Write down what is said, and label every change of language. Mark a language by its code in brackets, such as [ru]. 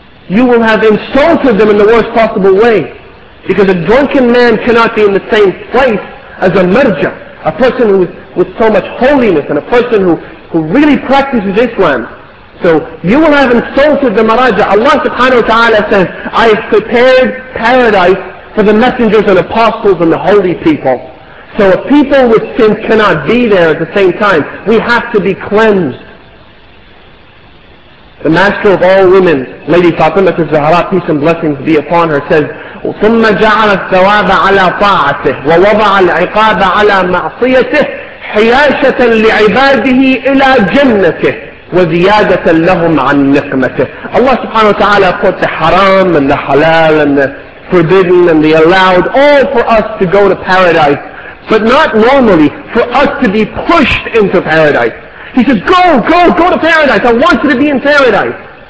[en] You will have insulted them in the worst possible way. Because a drunken man cannot be in the same place as a marja, a person who is with so much holiness and a person who really practices Islam. So you will have insulted the maraja. Allah subhanahu wa ta'ala says, I have prepared paradise for the messengers and apostles and the holy people. So a people with sin cannot be there at the same time. We have to be cleansed. The master of all women, Lady Fatima al-Zahra, peace and blessings be upon her, says, [ar] ثُمَّ جَعَلَ الثَّوَابَ عَلَى طَاعَتِهِ وَوَضَعَ الْعِقَابَ عَلَى مَعْصِيَتِهِ حِيَاشَةً لِعِبَادِهِ إِلَى جَنَّتِهِ وَزِيَادَةً لَهُمْ عَنْ نِقْمَتِهِ. [en] Allah subhanahu wa ta'ala put the haram and the halal and the forbidden and the allowed all for us to go to paradise. But not normally, for us to be pushed into paradise. He says, go to paradise. I want you to be in paradise.